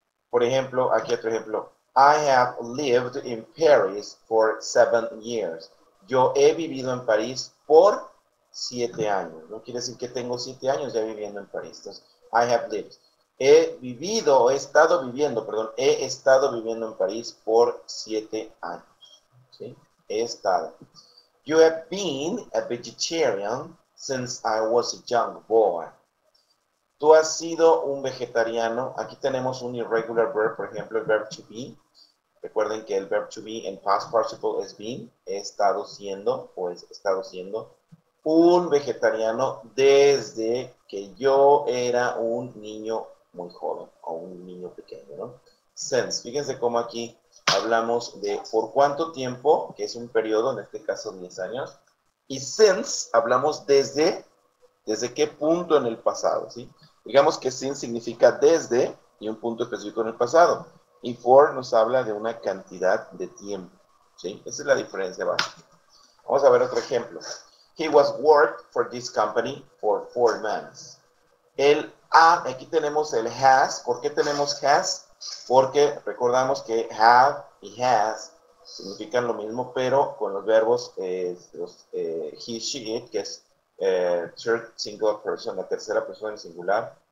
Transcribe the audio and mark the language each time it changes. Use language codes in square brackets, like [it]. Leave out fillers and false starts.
[es] Por ejemplo, aquí otro ejemplo. [en] I have lived in Paris for 7 years. [es] Yo he vivido en París por 7 años. No quiere decir que tengo 7 años ya viviendo en París. Entonces, [en] I have lived. [es] He vivido, he estado viviendo, perdón, he estado viviendo en París por 7 años. ¿Sí? He estado. [en] You have been a vegetarian since I was a young boy. [es] Tú has sido un vegetariano. Aquí tenemos un irregular verb, por ejemplo, el verb to be. Recuerden que el verb to be en past participle es been, he estado siendo, o es estado siendo un vegetariano desde que yo era un niño muy joven o un niño pequeño, ¿no? Since, fíjense cómo aquí hablamos de por cuánto tiempo, que es un periodo, en este caso 10 años, y since hablamos desde qué punto en el pasado, ¿sí? Digamos que since significa desde y un punto específico en el pasado. Y for nos habla de una cantidad de tiempo, ¿sí? Esa es la diferencia básica. Vamos a ver otro ejemplo. [en] He was worked for this company for 4 months. [es] Aquí tenemos el has. ¿Por qué tenemos has? Porque recordamos que have y has significan lo mismo, pero con los verbos he, she, it, que es [en] third single person, [es] la tercera persona en singular.